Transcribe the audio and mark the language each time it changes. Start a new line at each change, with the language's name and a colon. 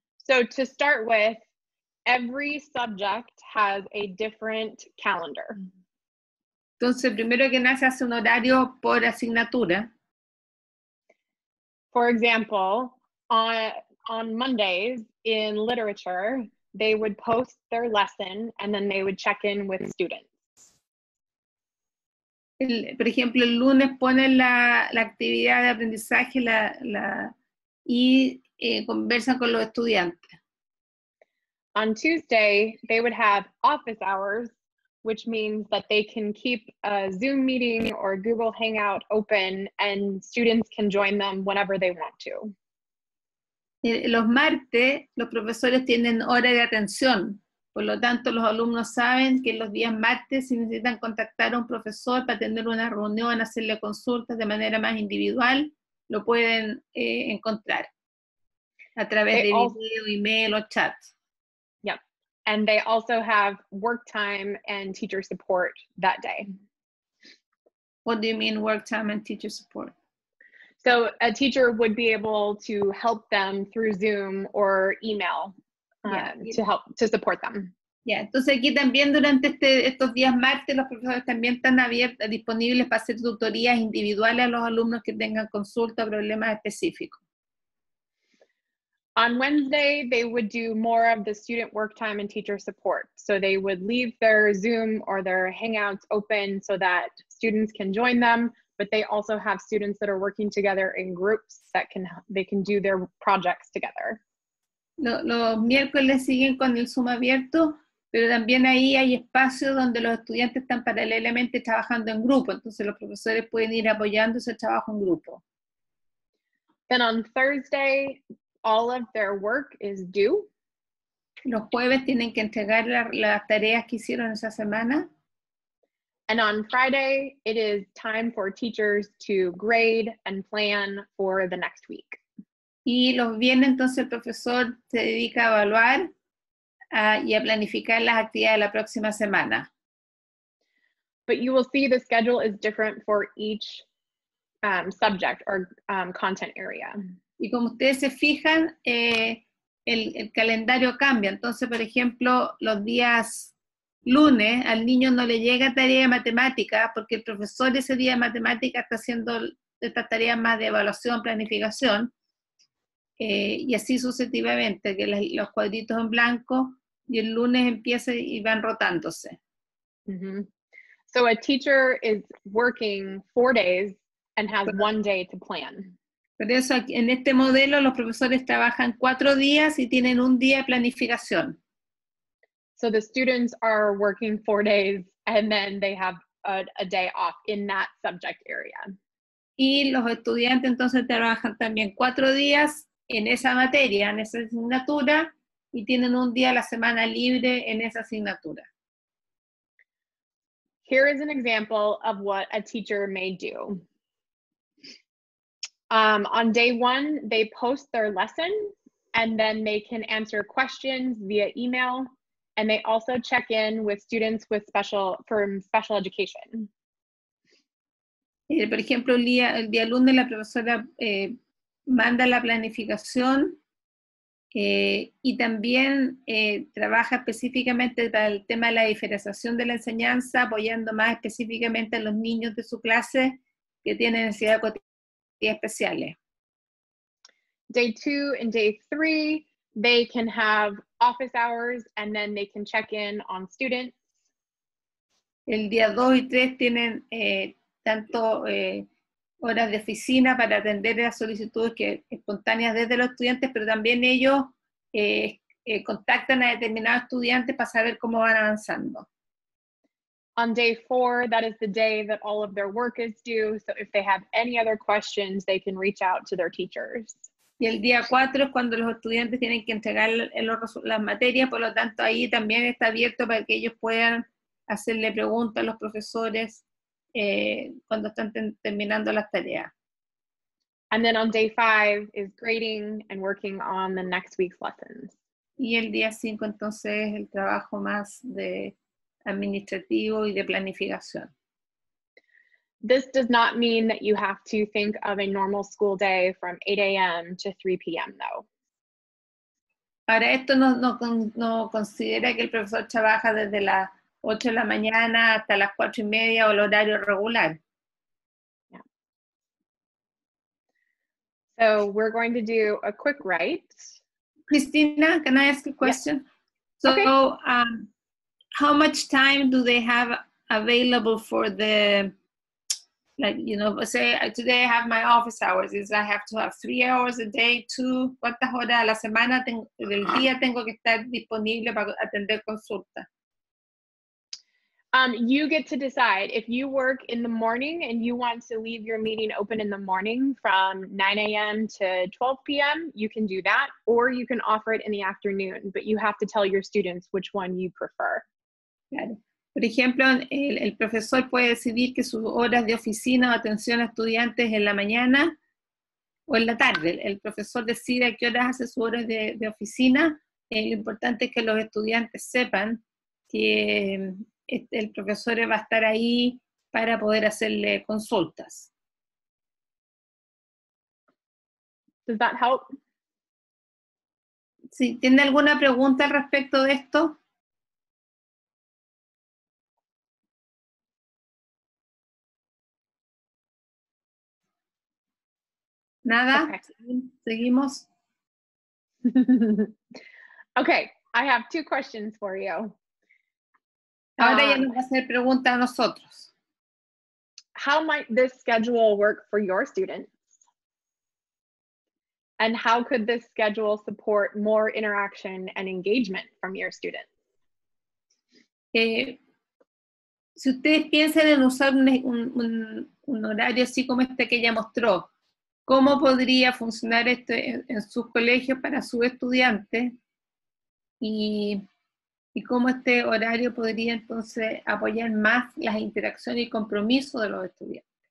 English: So to start with, every subject has a different calendar.
Spanish: Entonces, primero que nada, se hace un horario por asignatura.
English: For example, on Mondays in literature, they would post their lesson and then they would check in with students.
Spanish: Por ejemplo, el lunes ponen la actividad de aprendizaje y conversan con los estudiantes.
English: On Tuesday, they would have office hours, which means that they can keep a Zoom meeting or Google Hangout open and students can join them whenever they want to.
Spanish: Los martes, los profesores tienen hora de atención. Por lo tanto, los alumnos saben que los días martes si necesitan contactar a un profesor para tener una reunión, hacerle consultas de manera más individual, lo pueden encontrar a través de video, email o chat.
English: Yep. And they also have work time and teacher support that day. What do you mean work time and teacher support? So a teacher would be able to help them through Zoom or email to support them.
Spanish: Yeah, entonces aquí también durante estos días martes los profesores también están disponibles para hacer tutorías individuales a los alumnos que tengan consulta o problemas específicos.
English: On Wednesday, they would do more of the student work time and teacher support. So they would leave their Zoom or their Hangouts open so that students can join them. But they also have students that are working together in groups that can they can do their projects together.
Spanish: Los miércoles siguen con el Zoom abierto, pero también ahí hay espacios donde los estudiantes están paralelamente trabajando en grupo, entonces los profesores pueden ir apoyando ese trabajo en grupo.
English: Then on Thursday, all of their work is due.
Spanish: Los jueves tienen que entregar las tareas que hicieron esa semana.
English: And on Friday, it is time for teachers to grade and plan for the next week.
Spanish: Y los viernes, entonces, el profesor se dedica a evaluar y a planificar las actividades de la próxima semana.
English: But you will see the schedule is different for each subject or content area.
Spanish: Y como ustedes se fijan, el calendario cambia. Entonces, por ejemplo, los días lunes, al niño no le llega tarea de matemática porque el profesor ese día de matemática está haciendo estas tareas más de evaluación, planificación, y así sucesivamente, que los cuadritos en blanco y el lunes empieza y van rotándose.
English: Mm-hmm. So a teacher is working 4 days and has one day to plan.
Spanish: Por eso en este modelo los profesores trabajan 4 días y tienen un día de planificación.
English: So the students are working 4 days and then they have a day off in that subject area.
Spanish: Y los estudiantes entonces trabajan también 4 días en esa materia, en esa asignatura, y tienen un día a la semana libre en esa asignatura.
English: Here is an example of what a teacher may do. On day one, they post their lesson and then they can answer questions via email. And they also check in with students with special education.
Spanish: Por ejemplo, el día lunes la profesora manda la planificación y también trabaja específicamente para el tema de la diferenciación de la enseñanza, apoyando más específicamente a los niños de su clase que tienen necesidades cotidianas especiales.
English: Day two and day three, they can have office hours and then they can check in on students.
Spanish: El día 2 y 3 tienen tanto horas de oficina para atender las solicitudes que espontáneas desde los estudiantes, pero también ellos contactan a determinados estudiantes para saber cómo van avanzando.
English: On day 4, that is the day that all of their work is due, so if they have any other questions, they can reach out to their teachers.
Spanish: Y el día 4 es cuando los estudiantes tienen que entregar las materias, por lo tanto ahí también está abierto para que ellos puedan hacerle preguntas a los profesores cuando están terminando las tareas.
English: And then on day 5 is grading and working on the next week's lessons.
Spanish: Y el día 5 entonces es el trabajo más de administrativo y de planificación.
English: This does not mean that you have to think of a normal school day from 8 a.m. to 3 p.m. though.
Spanish: Ahora esto no considera que el profesor trabaja desde las 8 de la mañana hasta las 4 y media o el horario regular.
English: Yeah. So we're going to do a quick write. Cristina, can I ask a question? Yeah. So how much time do they have available for the, like, you know, say today I have my office hours. Is I have to have 3 hours a day, two?
Spanish: ¿Cuántas horas a la semana del día tengo que estar disponible para atender consulta?
English: You get to decide. If you work in the morning and you want to leave your meeting open in the morning from 9 a.m. to 12 p.m., you can do that, or you can offer it in the afternoon, but you have to tell your students which one you prefer.
Spanish: Claro. Por ejemplo, el profesor puede decidir que sus horas de oficina o atención a estudiantes en la mañana o en la tarde. El profesor decide a qué horas hace sus horas de oficina. Lo importante es que los estudiantes sepan que el profesor va a estar ahí para poder hacerle consultas.
English: Does that help?
Spanish: Sí, ¿tiene alguna pregunta al respecto de esto? Nada. Okay. Seguimos.
English: Okay, I have two questions for you.
Spanish: Ahora ya nos va a hacer pregunta a nosotros.
English: How might this schedule work for your students? And how could this schedule support more interaction and engagement from your students?
Spanish: Si ustedes piensan en usar un horario así como este que ella mostró, ¿cómo podría funcionar esto en sus colegios para sus estudiantes? ¿Y cómo este horario podría entonces apoyar más las interacciones y compromiso de los estudiantes?